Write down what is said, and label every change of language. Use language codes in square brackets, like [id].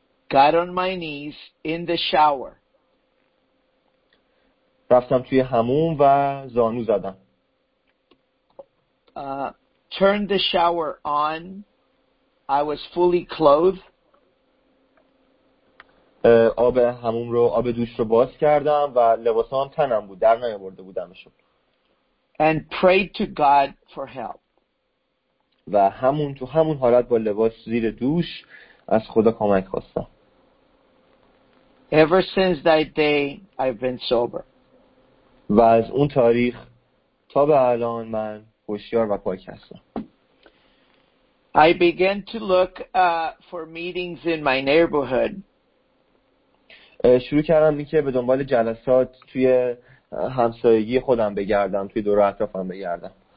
[en] Got on my knees in the shower. [fa] رفتم توی حموم و زانو زدم. [en] Turned the shower on. I was fully clothed. [fa] آب حموم رو، آب دوش رو باز کردم و لباسام تنم بود، در نیاورده بودمش. [en] And prayed to God for help. [fa] و همون تو همون حالت با لباس زیر دوش از خدا کمک خواستم. [en] Ever since that day I've been sober. [fa] و از اون تاریخ تا به الان من هوشیار و پاک هستم. [en] I began to look for meetings in my neighborhood. [fa] شروع کردم این که به دنبال جلسات توی همسایگی خودم بگردم، توی دور اطرافم بگردم.